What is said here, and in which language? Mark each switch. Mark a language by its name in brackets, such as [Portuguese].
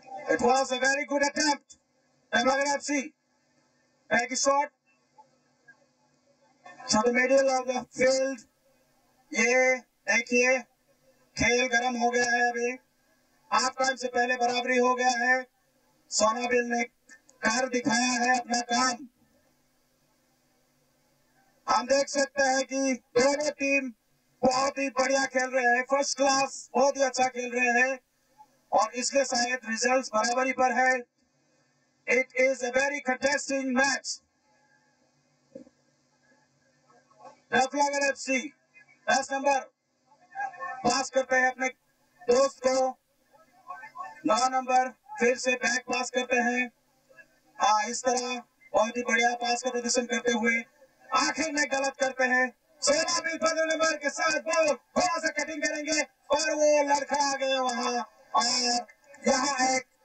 [English] it was a very good attempt [Hindi] developer FC, एक shot [English] so the middle of the field, [Hindi] ये देखिए खेल गर्म हो गया है, अभी हाफ टाइम से पहले बराबरी हो गया है, सोनाबिल ने कर दिखाया है अपना काम, हम देख सकते हैं कि दोनों टीम बहुत ही बढ़िया खेल रहे हैं, फर्स्ट क्लास बहुत ही अच्छा खेल रहे हैं और इसलिए शायद रिजल्ट्स बराबरी पर है। [English] It is a very contesting match. [Hindi] Deflagger FC, 10 number, pass करते हैं अपने दोस्त को, 9 number, फिर से back pass करते हैं, हाँ इस तरह बहुत ही बढ़िया pass का प्रदर्शन करते हुए आखिर में गलत करते हैं, सोनाबिल 15 number के साथ ball थोड़ा सा cutting करेंगे और वो लड़का आ गया वहां और यहाँ एक